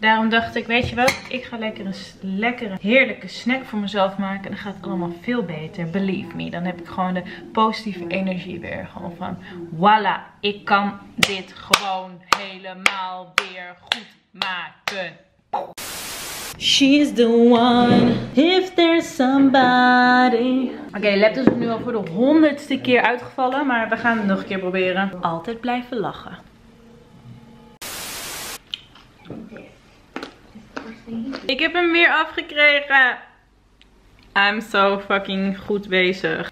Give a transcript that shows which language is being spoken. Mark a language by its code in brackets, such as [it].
[nl] Daarom dacht ik, weet je wat? Ik ga lekker een lekkere, heerlijke snack voor mezelf maken. En dan gaat het allemaal veel beter. [en] Believe me. [nl] Dan heb ik gewoon de positieve energie weer. Gewoon van, voilà. Ik kan dit gewoon helemaal weer goed maken. [en] She's the one, if there's somebody. [nl] Oké, laptop is nu al voor de 100ste keer uitgevallen. Maar we gaan het nog een keer proberen. Altijd blijven lachen. Ik heb hem weer afgekregen. [en] I'm so fucking [nl] goed bezig.